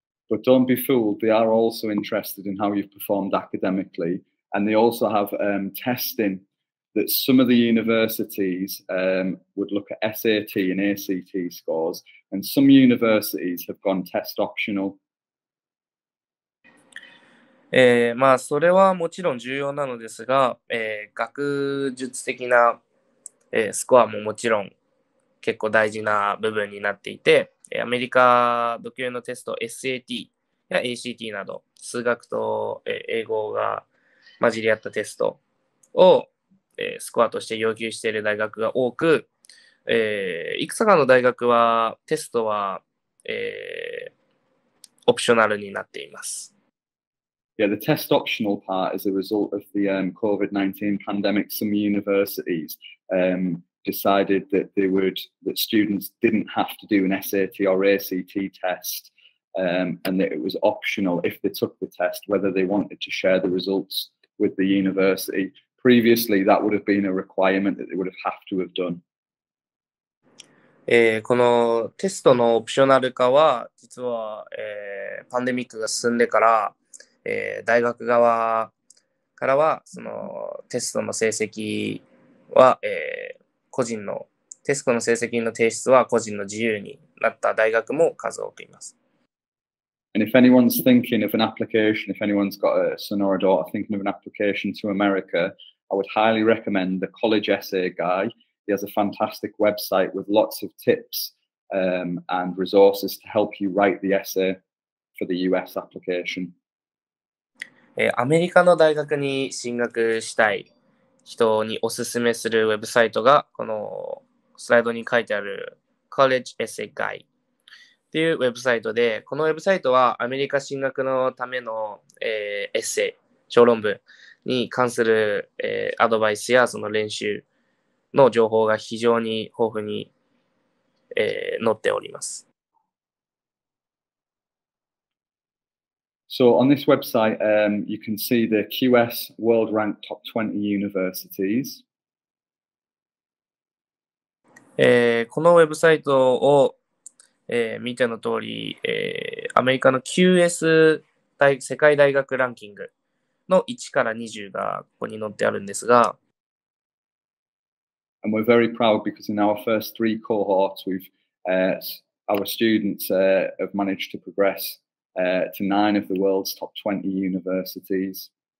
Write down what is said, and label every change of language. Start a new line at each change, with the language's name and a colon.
English: But don't be fooled, they are also interested in how you've performed academically, and they also have、testingthat some of the universities、would look at SAT and ACT scores, and some universities have gone test optional.、
Japanese: まあ、それはもちろん重要なのですが、学術的な、スコアももちろん結構大事な部分になっていて、アメリカ独有のテスト SAT や ACT など、数学と、英語が混じり合ったテストをスコアとして要求している大学が多く、いくつかの大学はテストは、オプショナルになっています。
English: Yeah, the test optional part is a result of the COVID-19 pandemic. Some universities decided that they would, that students didn't have to do an SAT or ACT test, and that it was optional if they took the test, whether they wanted to share the results with the university. Previously, that would have been a requirement that they would have to have done.
Japanese: このテストのオプショナル化は実は、パンデミックが進んでから、大学側からはそのテストの成績は、個人のテストの成績の提出は個人の自由になった大学も数多くいます。
English: And if anyone's thinking of an application, if anyone's got a Sonora daughter thinking of an application to America, I would highly recommend the College Essay Guy. He has a fantastic website with lots of tips, and resources to help you write the essay for the US application.
Japanese: アメリカの大学に進学したい人におすすめするウェブサイトがこのスライドに書いてある College Essay Guide っていうウェブサイトで、このウェブサイトはアメリカ進学のための、エッセイ、小論文に関する、アドバイスやその練習の情報が非常に豊富に、載っております。
English: So on this website, you can see the QS World Ranked Top 20 Universities.
Japanese: このウェブサイトを、見ての通り、アメリカの QS 世界大学ランキングの1から20がここに載ってあるんですが、
English: And we're very proud because in our first three cohorts, our students have managed to progress to nine of the world's top 20 universities.